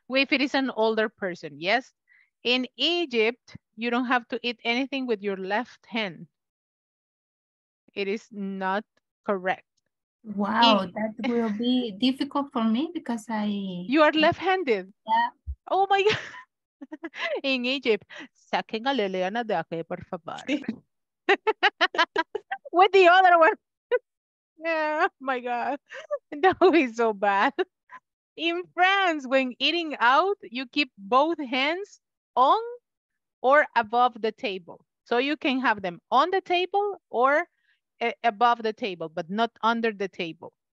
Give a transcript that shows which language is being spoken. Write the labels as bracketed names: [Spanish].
[English] If it is an older person, yes. In Egypt, you don't have to eat anything with your left hand. It is not correct. Wow, that will be difficult for me because You are left-handed. Yeah. Oh my God. In Egypt, [Spanish] saquen a Liliana de aquí, por favor. [English] With the other one. Yeah, my God, that would be so bad. In France, when eating out, you keep both hands on or above the table. So you can have them on the table or above the table, but not under the table.